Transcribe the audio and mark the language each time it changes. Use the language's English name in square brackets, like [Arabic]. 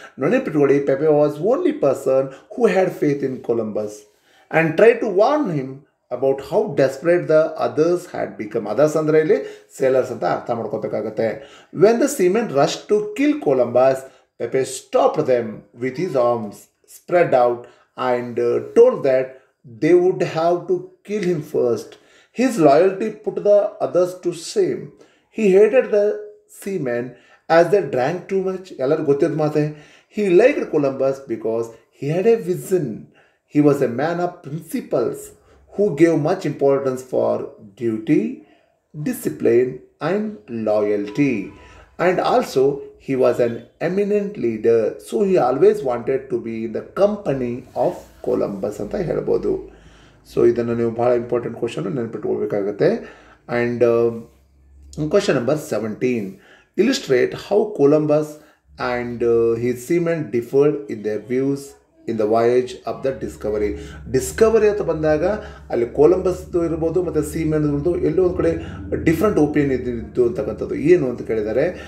[Kannada] ನೆನಪಿಟ್ಕೊಳ್ಳಿ, [English] Pepe was only person who had faith in Columbus and try to warn him about how desperate the others had become. [Kannada] Others ಅಂದರೆ ಇಲ್ಲಿ sailors ಅಂತ ಅರ್ಥ ಮಾಡ್ಕೋಬೇಕಾಗತ್ತೆ. [English] When the seamen rush to kill Columbus, Pepe stop them with his arms spread out and told that they would have to kill him first. His loyalty put the others to shame. He hated the seamen as they drank too much. Yallar gotted mate. He liked Columbus because he had a vision. He was a man of principles who gave much importance for duty, discipline and loyalty. And also he was an eminent leader. So he always wanted to be in the company of Columbus. [Kannada] Anta helabodu. So ಇದನ್ನು ನೀವು ಭಾಳ important question ನೆನಪಿಟ್ಕೋಬೇಕಾಗತ್ತೆ. [English] And question number 17, illustrate how Columbus and his seamen differed in the views in the voyage of the discovery. [Kannada] Discovery ಅಂತ ಬಂದಾಗ ಅಲ್ಲಿ ಕೊಲಂಬಸ್ದು ಇರ್ಬೋದು ಮತ್ತು ಸೀಮೆನ್ದು ಎಲ್ಲೋ ಒಂದು ಕಡೆ ಡಿಫ್ರೆಂಟ್ ಒಪಿನಿಯನ್ ಇದ್ದಿದ್ದು ಅಂತಕ್ಕಂಥದ್ದು ಏನು ಅಂತ ಕೇಳಿದ್ದಾರೆ.